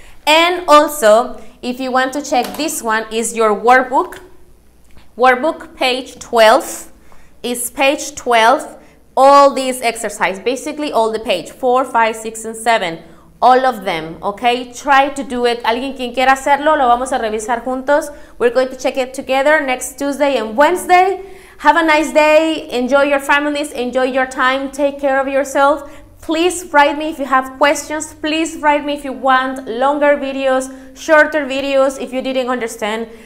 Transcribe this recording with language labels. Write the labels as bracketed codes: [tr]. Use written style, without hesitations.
[en] And also, if you want to check this one, is your workbook. Workbook page 12 is page 12, all these exercises, basically all the page, 4, 5, 6, and 7, all of them, okay? Try to do it. [es] Alguien quien quiera hacerlo, lo vamos a revisar juntos. [en] We're going to check it together next Tuesday and Wednesday. Have a nice day, enjoy your families, enjoy your time, take care of yourself. Please write me if you have questions, please write me if you want longer videos, shorter videos, if you didn't understand.